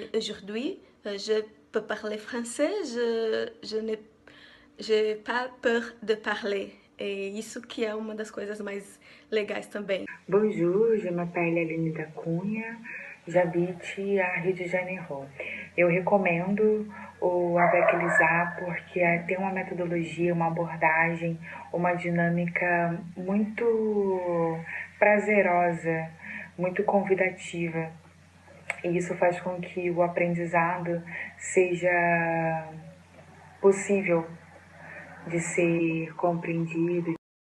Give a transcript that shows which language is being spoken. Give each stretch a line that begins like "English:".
French: Aujourd'hui, je peux parler français, je n'ai pas peur de parler.
Portuguese: É isso que é uma das coisas mais legais também.
French: Bonjour, je m'appelle Aline da Cunha. J'habite à Rio de Janeiro.
Portuguese: Eu recomendo o Avec Elisa porque tem uma metodologia, uma abordagem, uma dinâmica muito prazerosa, muito convidativa. E isso faz com que o aprendizado seja possível de ser compreendido.